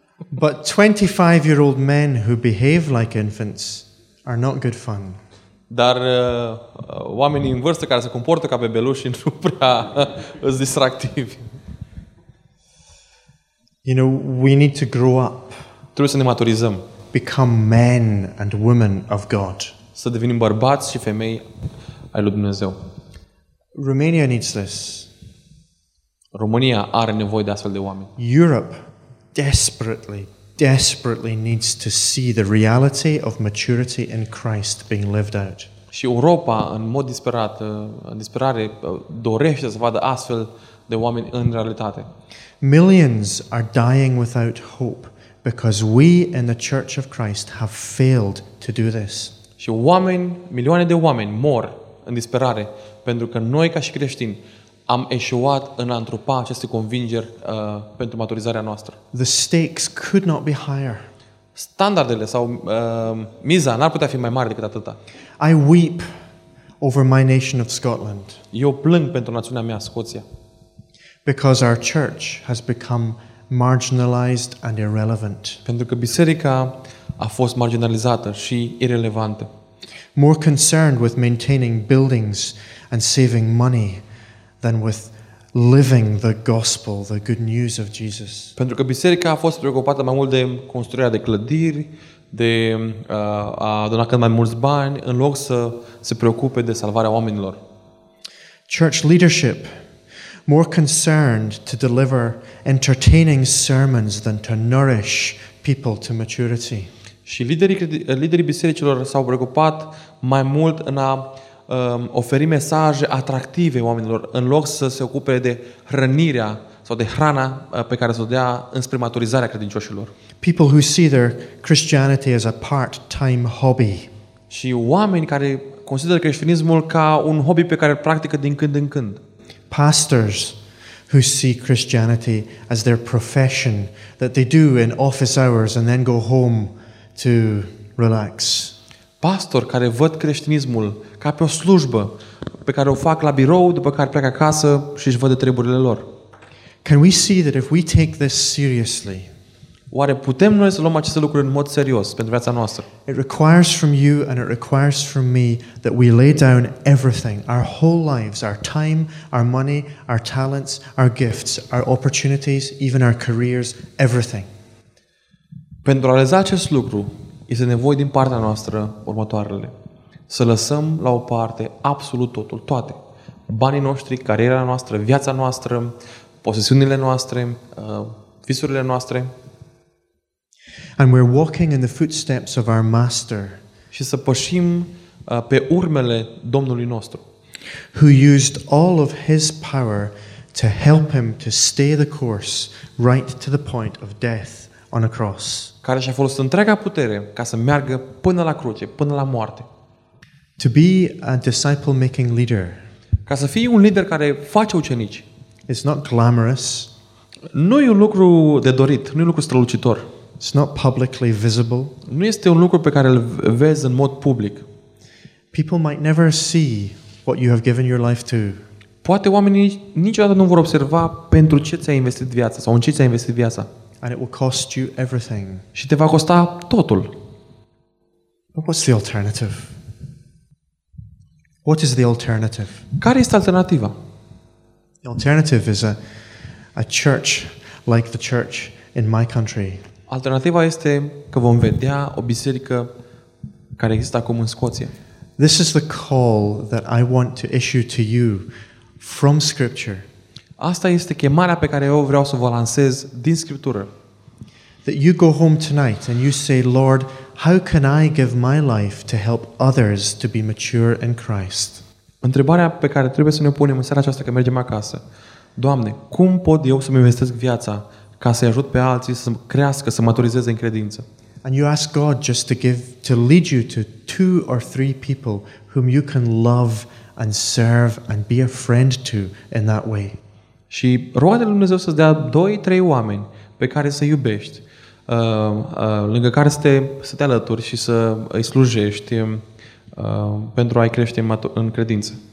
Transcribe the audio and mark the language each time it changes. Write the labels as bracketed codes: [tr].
[en] But 25-year-old men who behave like infants are not good fun. [ro] Dar oamenii în vârstă care se comportă ca bebeluși nu prea sunt distractivi. [en] You know, we need to grow up. [ro] Trebuie să ne maturizăm. [en] Become men and women of God. [ro] Să devenim bărbați și femei ai lui Dumnezeu. [en] Romania needs this. [ro] România are nevoie de astfel de oameni. [en] Europe desperately needs to see the reality of maturity in Christ being lived out. [ro] Și Europa în mod disperat, în disperare, dorește să vadă astfel de oameni în realitate. [en] Millions are dying without hope because we in the Church of Christ have failed to do this. [ro] Și oameni, milioane de oameni mor în disperare pentru că noi ca și creștini am eșuat în a întrupa aceste convingeri pentru maturizarea noastră. [en] The stakes could not be higher. [ro] Standardele sau miza n-ar putea fi mai mare decât atâta. [en] I weep over my nation of Scotland. [ro] Eu plâng pentru națiunea mea, Scoția. [en] Because our church has become marginalized and irrelevant. [ro] Pentru că biserica a fost marginalizată și irelevantă. [en] More concerned with maintaining buildings and saving money than with living the gospel, the good news of Jesus. [ro] Pentru că biserica a fost preocupată mai mult de construirea de clădiri, de a dona cât mai mulți bani, în loc să se preocupe de salvarea oamenilor. [en] Church leadership more concerned to deliver entertaining sermons than to nourish people to maturity. [ro] Și liderii bisericilor s-au preocupat mai mult în a oferi mesaje atractive oamenilor în loc să se ocupe de hrănirea sau de hrana pe care să o dea înspre maturizarea credincioșilor. [en] People who see their Christianity as a part-time hobby. [ro] Și oameni care consideră creștinismul ca un hobby pe care îl practică din când în când. [en] Pastors who see Christianity as their profession that they do in office hours and then go home to relax. [ro] Pastor care văd creștinismul ca pe o slujbă pe care o fac la birou, după care pleacă acasă și își văd de treburile lor. [en] Can we see that if we take this seriously? [ro] Oare putem noi să luăm aceste lucruri în mod serios pentru viața noastră? [en] It requires from you and it requires from me that we lay down everything, our whole lives, our time, our money, our talents, our gifts, our opportunities, even our careers, everything. [ro] Pentru a realiza acest lucru, este nevoie din partea noastră următoarele. Să lăsăm la o parte absolut totul, toate. Banii noștri, cariera noastră, viața noastră, posesiunile noastre, visurile noastre. [en] And we're walking in the footsteps of our master. [ro] Și să pășim pe urmele Domnului nostru. [en] Who used all of his power to help him to stay the course right to the point of death on a cross. [ro] Care și-a folosit întreaga putere ca să meargă până la cruce, până la moarte. [en] To be a disciple-making leader. [ro] Ca să fii un lider care face ucenici. [en] It's not glamorous. [ro] Nu e un lucru de dorit, nu e un lucru strălucitor. [en] It's not publicly visible. [ro] Nu este un lucru pe care îl vezi în mod public. [en] People might never see what you have given your life to. [ro] Poate oamenii niciodată nu vor observa pentru ce ți-ai investit viața sau în ce ți-ai investit viața. [en] And it will cost you everything. [ro] Și te va costa totul. [en] But what's the alternative? What is the alternative? [ro] Care este alternativa? [en] The alternative is a church like the church in my country. [ro] Alternativa este că vom vedea o biserică care există acum în Scoția. [en] This is the call that I want to issue to you from Scripture. [ro] Asta este chemarea pe care eu vreau să vă lansez din Scriptură. [en] That you go home tonight and you say, Lord, how can I give my life to help others to be mature in Christ? [ro] Întrebarea pe care trebuie să ne punem în seara aceasta când mergem acasă. Doamne, cum pot eu să-mi investesc viața ca să-i ajut pe alții să crească, să maturizeze în credință? [en] And you ask God just to lead you to two or three people whom you can love and serve and be a friend to in that way. [ro] Și roade lui Dumnezeu să-ți dea 2-3 oameni pe care să iubești, lângă care să te alături și să îi slujești pentru a-i crește în credință.